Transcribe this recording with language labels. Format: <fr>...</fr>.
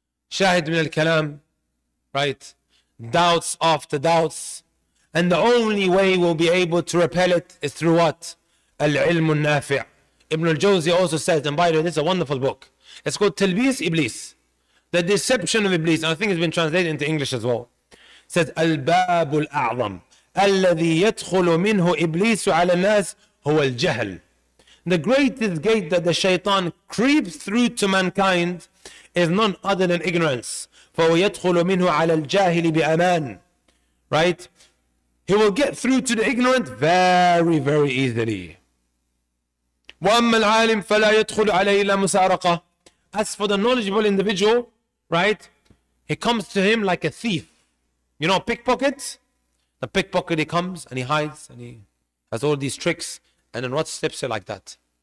<ar>شاهد من الكلام, right?</ar> <en>Doubts after doubts. And the only way we'll be able to repel it is through what?</en> <ar>العلم النافع.</ar> <en>Ibn al-Jawzi also says, and by the way, this is a wonderful book. It's called Talbis Iblis. The deception of Iblis. And I think it's been translated into English as well. It says,</en> <ar>الباب الأعظم الذي يدخل منه إبليس على الناس هو الجهل.</ar> <en>The greatest gate that the shaitan creeps through to mankind is none other than ignorance.</en> <ar>فهو يدخل منه على الجاهل بأمان.</ar> <en>Right? He will get through to the ignorant very, very easily.</en> <ar>وَأَمَّا الْعَالِمْ فَلَا يَدْخُلُ عَلَيْهِ إِلَّا مُسَارَقَةً.</ar> <en>As for the knowledgeable individual, right, he comes to him like a thief. You know, a pickpocket? The pickpocket, he comes and he hides and he has all these tricks and then what slips it like that?</en>